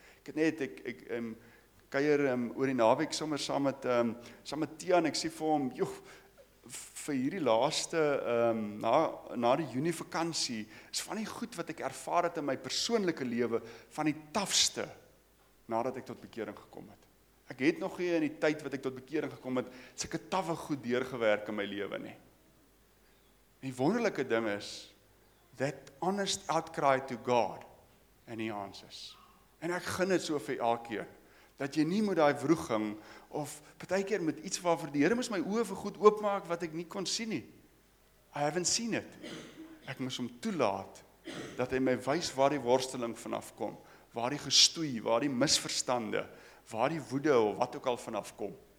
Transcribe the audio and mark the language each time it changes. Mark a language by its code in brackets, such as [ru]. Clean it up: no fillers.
[af] Ek het net, ek kuier oor die naweek sommer saam met Tian, ek sê vir hom, joh, vir hierdie laaste, na die Junie vakansie, is van die goed wat ek ervaar het in my persoonlike lewe, van die tafste, nadat ek tot bekering gekom het. Ek het nog nie in die tyd wat ek tot bekering gekom het, sulke taffe goed deurgewerk in my lewe nie. Die wonderlike ding is, [en] that honest outcry to God, and he answers. [af] En ek gun het so vir elkeen, dat jy nie moet daai wroeging, of partykeer met iets waarvoor die Here moes my oë vir goed oopmaak, wat ek nie kon sien nie. [en] I haven't seen it. [af] Ek moes hom toelaat, dat hy my wys waar die worsteling vanaf kom, waar die gestoei, waar die misverstande, waar die woede, of wat ook al vanaf kom.